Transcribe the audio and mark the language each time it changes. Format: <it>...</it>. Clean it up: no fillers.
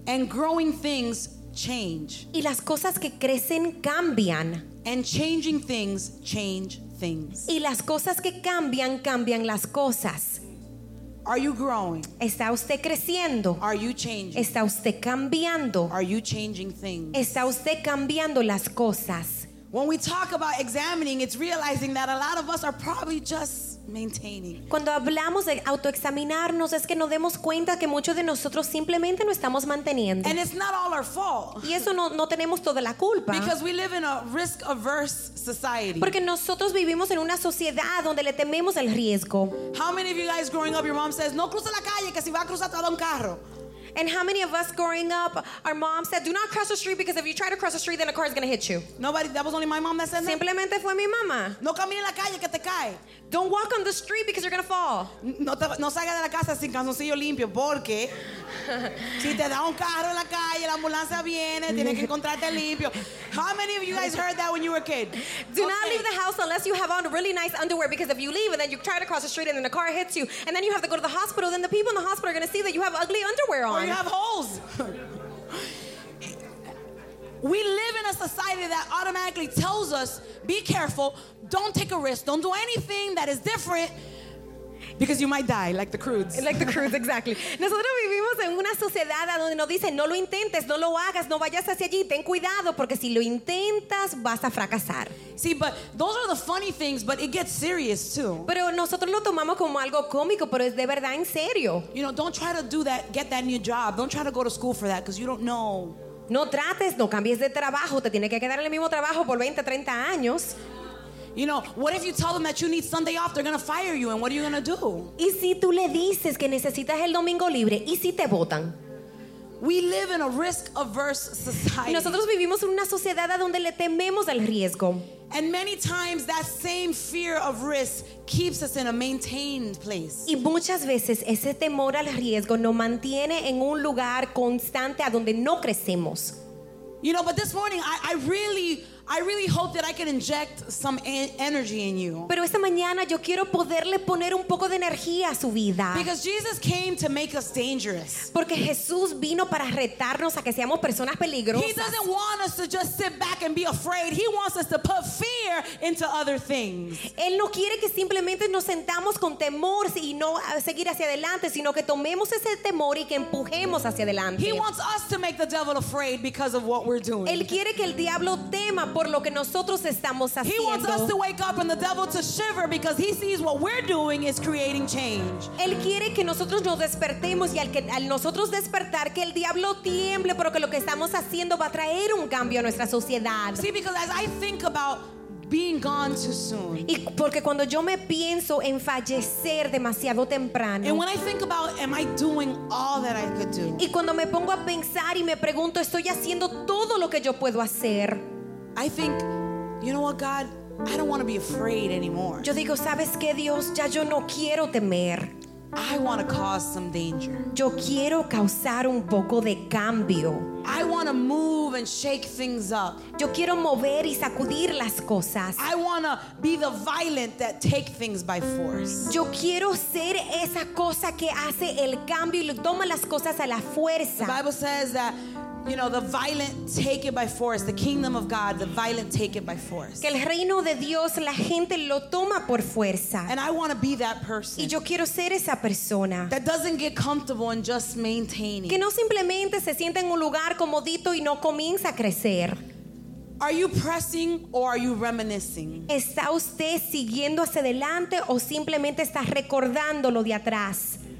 <en>And growing things change.</en> <es>Y las cosas que crecen cambian.</es> <en>And changing things change things.</en> <es>Y las cosas que cambian cambian las cosas.</es> <en>Are you growing?</en> <es>¿Está usted creciendo?</es> <en>Are you changing?</en> <es>¿Está usted cambiando?</es> <en>Are you changing things?</en> <es>¿Está usted cambiando las cosas?</es> <en>When we talk about examining, it's realizing that a lot of us are probably just maintaining.</en> <es>Cuando hablamos de autoexaminarnos, es que nos demos cuenta que muchos de nosotros simplemente no estamos manteniendo.</es> <en>And it's not all our fault.</en> <es>Y eso no tenemos toda la culpa.</es> <en>Because we live in a risk-averse society.</en> <es>Porque nosotros vivimos en una sociedad donde le tememos el riesgo.</es> <en>How many of you guys growing up, your mom says,</en> <es>"No cruce la calle, que si va a cruzar te da un carro."</es> <en>And how many of us growing up, our mom said, "Do not cross the street because if you try to cross the street, then a car is going to hit you." Nobody, that was only my mom that said that.</en> <es>Simplemente fue mi mamá. No camine en la calle que te cae.</es> <en>Don't walk on the street because you're going to fall.</en> <es>No salga de la casa sin calzoncillo limpio porque si te da un carro en la calle, la ambulancia viene, tienes que encontrarte limpio.</es> <en>How many of you guys heard that when you were a kid? Do not leave the house unless you have on really nice underwear because if you leave and then you try to cross the street and then a car hits you and then you have to go to the hospital, then the people in the hospital are going to see that you have ugly underwear on. Or you have holes. We live in a society that automatically tells us, be careful, don't take a risk, don't do anything that is different, because you might die, like the Croods. Like the Croods, exactly.</en> <es>Nosotros vivimos en una sociedad donde nos dicen, no lo intentes, no lo hagas, no vayas hacia allí, ten cuidado, porque si lo intentas, vas a fracasar.</es> <en>See, but those are the funny things, but it gets serious too.</en> <es>Pero nosotros lo tomamos como algo cómico, pero es de verdad en serio.</es> <en>You know, don't try to do that, get that new job. Don't try to go to school for that, because you don't know.</en> <es>No trates, no cambies de trabajo. Te tienes que quedar en el mismo trabajo por 20, 30 años.</es> <en>You know, what if you tell them that you need Sunday off? They're going to fire you, and what are you going to do?</en> <es>¿Y si tú le dices que necesitas el domingo libre? ¿Y si te botan?</es> <en>We live in a risk-averse society.</en> <es>Nosotros vivimos en una sociedad donde le tememos al riesgo.</es> <en>And many times that same fear of risk keeps us in a maintained place.</en> <es>Y muchas veces ese temor al riesgo nos mantiene en un lugar constante a donde no crecemos.</es> <en>You know, but this morning I really hope that I can inject some energy in you.</en> <es>Pero esta mañana yo quiero poderle poner un poco de energía a su vida.</es> <en>Because Jesus came to make us dangerous.</en> <es>Porque Jesús vino para retarnos a que seamos personas peligrosas.</es> <en>He doesn't want us to just sit back and be afraid. He wants us to put fear into other things.</en> <es>Él no quiere que simplemente nos sentamos con temor y no seguir hacia adelante, sino que tomemos ese temor y que empujemos hacia adelante.</es> <en>He wants us to make the devil afraid because of what we're doing.</en> <es>Él quiere que el diablo tema por lo que nosotros estamos haciendo.</es> <en>He wants us to wake up and the devil to shiver because he sees what we're doing is creating change.</en> <es>Él quiere que nosotros nos despertemos y al nosotros despertar que el diablo tiemble porque lo que estamos haciendo va a traer un cambio a nuestra sociedad.</es> <en>See, because as I think about being gone too soon.</en> <es>Y porque cuando yo me pienso en fallecer demasiado temprano.</es> <en>And when I think about, am I doing all that I could do?</en> <es>Y cuando me pongo a pensar y me pregunto, ¿estoy haciendo todo lo que yo puedo hacer?</es> <en>I think, you know what, God, I don't want to be afraid anymore.</en> <es>Yo digo, ¿sabes qué, Dios? Ya yo no quiero temer.</es> <en>I want to cause some danger.</en> <es>Yo quiero causar un poco de cambio.</es> <en>I want to move and shake things up.</en> <es>Yo quiero mover y sacudir las cosas.</es> <en>I want to be the violent that take things by force.</en> <es>Yo quiero ser esa cosa que hace el cambio y toma las cosas a la fuerza.</es> <en>The Bible says that, you know, the violent take it by force. The kingdom of God, the violent take it by force.</en> <es>Que el reino de Dios, la gente lo toma por fuerza.</es> <en>And I want to be that person.</en> <es>Y yo quiero ser esa persona.</es> <en>That doesn't get comfortable and just maintaining.</en> <es>Que no simplemente se sienta en un lugar comodito y no comienza a crecer.</es> <en>Are you pressing or are you reminiscing?</en> <es>¿Está usted siguiendo hacia adelante o simplemente está recordando lo de atrás?</es>